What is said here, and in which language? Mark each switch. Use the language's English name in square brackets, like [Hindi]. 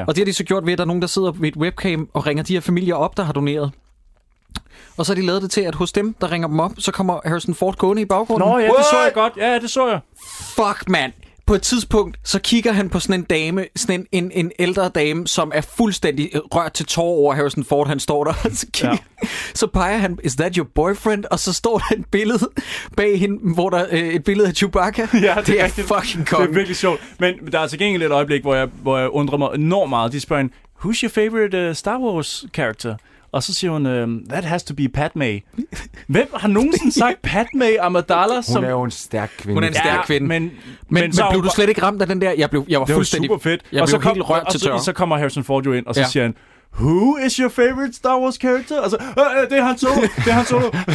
[Danish] Og det har de så gjort ved, at der er nogen, der sidder ved et webcam og ringer de her familier op, der har doneret. Og så har de lavet det til, at hos dem, der ringer dem op, så kommer Harrison Ford gående i baggrunden. Nå ja, det så jeg godt. Ja, det så jeg. Fuck, mand. på et tidspunkt, så kigger han på sådan en dame, sådan en ældre dame, som er fuldstændig rørt til tårer over Harrison Ford, han står der. Så, kigger, så peger han, [English] is that your boyfriend? [Danish] Og så står der et billede bag hende, hvor der et billede af Chewbacca. Ja, det er rigtigt. Fucking kong. Det er virkelig sjovt. Men der er altså gengæld et øjeblik, hvor jeg undrer mig enormt meget. De spørger en, [English] who's your favorite Star Wars character? [Danish] Og så siger hun, [English] that has to be Padme. [Danish] Hvem har nogensinde sagt Padme Amidala? Hun er jo en stærk kvinde. Hun er en stærk kvinde. Men så blev du slet ikke ramt af den der? Jeg var fuldstændig... Det var super fedt. Jeg blev så helt rørt til tørre. Og så kommer Harrison Ford jo ind, og så siger han, [English] who is your favorite Star Wars character? [Danish] Altså, det er han Solo. Det er han Solo.